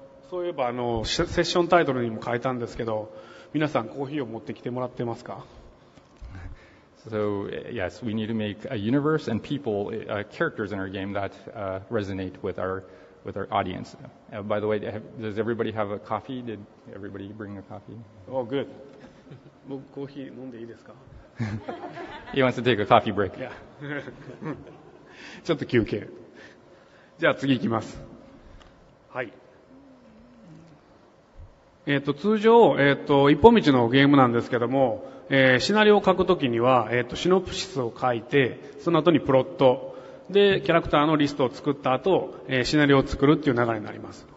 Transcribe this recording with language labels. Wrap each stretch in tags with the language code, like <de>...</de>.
<ja>そういえばセッションタイトルにも書いたんですけど、皆さんコーヒーを持ってきてもらってますか？</ja> <en>So, yes, we need to make a universe and people, characters in our game that resonate with our audience. By the way, does everybody have a coffee? Did everybody bring a coffee? Oh, good.</en> <ja>僕コーヒー飲んでいいですか？</ja> <en>He wants to take a coffee break.</en> <ja>Yeah. ちょっと休憩。じゃあ次行きます。はい、通常、一本道のゲームなんですけども、シナリオを書くときには、シノプシスを書いてその後にプロットでキャラクターのリストを作った後、シナリオを作るっていう流れになります。</ja>